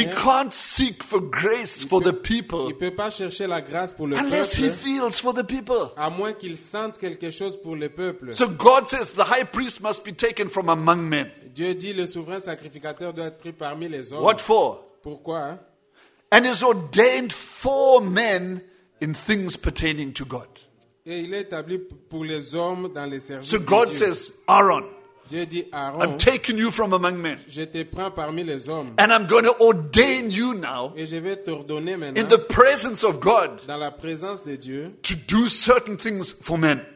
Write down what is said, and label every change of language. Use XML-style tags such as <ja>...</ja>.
<en>He can't seek for grace for the people.</en> <fr>Il peut pas chercher la grâce pour le</fr> <en>unless</en> <fr>peuple.</fr> <en>Unless he feels for the people.</en> <fr>À moins qu'il sente quelque chose pour le peuple.</fr> <en>So God says the high priest must be taken from among men.</en> <fr>Dieu dit le souverain sacrificateur doit être pris parmi les hommes.</fr> <en>What for?</en> <fr>Pourquoi?</fr> <en>And is ordained for men in things pertaining to God.</en> <fr>Et il est établi pour les hommes dans les services</fr> <en>so God</en> <fr>de Dieu.</fr> <en>Says, Aaron.</en> <fr>Dieu dit, Aaron,</fr> <en>I'm taking you from among men.</en> <fr>Je te prends parmi les hommes.</fr> <en>And I'm going to ordain you now</en> <fr>et je vais t'ordonner maintenant</fr> <en>in the presence of God</en> <fr>dans la présence de Dieu</fr> <en>to do certain things for men.</en>